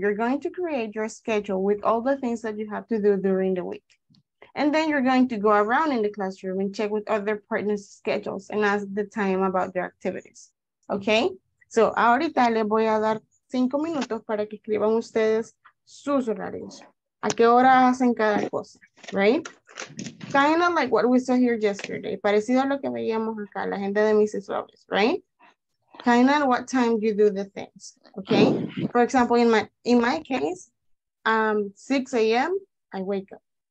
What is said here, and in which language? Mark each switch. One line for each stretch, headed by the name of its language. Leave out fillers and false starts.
English: You're going to create your schedule with all the things that you have to do during the week. And then you're going to go around in the classroom and check with other partners' schedules and ask the time about their activities, okay?
Spanish: So, ahorita les voy a dar 5 minutos para que escriban ustedes sus horarios. ¿A qué hora hacen cada cosa?
English: Right? Kind of like what we saw here yesterday.
Spanish: Parecido a lo que veíamos acá, la gente de Mrs. Robles, right?
English: Kind of what time you do the things, okay? For example, in my case, 6 a.m., I wake up.